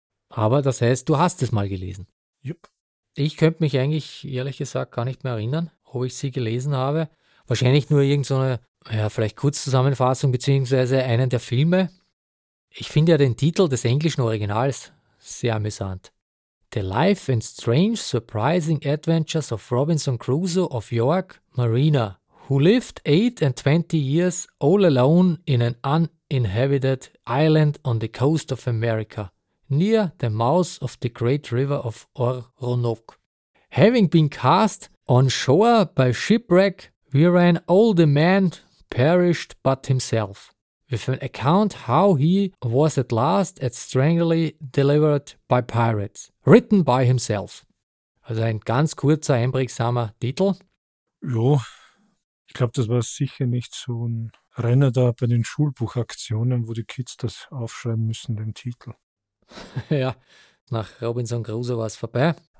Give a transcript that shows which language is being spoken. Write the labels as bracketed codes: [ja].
[de] Aber das heißt, du hast es mal gelesen? Jupp. Ich könnte mich eigentlich, ehrlich gesagt, gar nicht mehr erinnern, ob ich sie gelesen habe. Wahrscheinlich nur irgendeine, ja, vielleicht Kurzzusammenfassung beziehungsweise einen der Filme. Ich finde ja den Titel des englischen Originals sehr amüsant. [en] The Life and Strange Surprising Adventures of Robinson Crusoe of York Marina, who lived 28 years all alone in an uninhabited island on the coast of America, near the mouth of the great river of Orinoco. Having been cast on shore by shipwreck, wherein all the men perished but himself, with an account how he was at last at strangely delivered by pirates. Written by himself. [de] Also ein ganz kurzer, einprägsamer Titel. Jo, ich glaube, das war sicher nicht so ein Renner da bei den Schulbuchaktionen, wo die Kids das aufschreiben müssen, den Titel. Ja, nach Robinson Crusoe war es vorbei.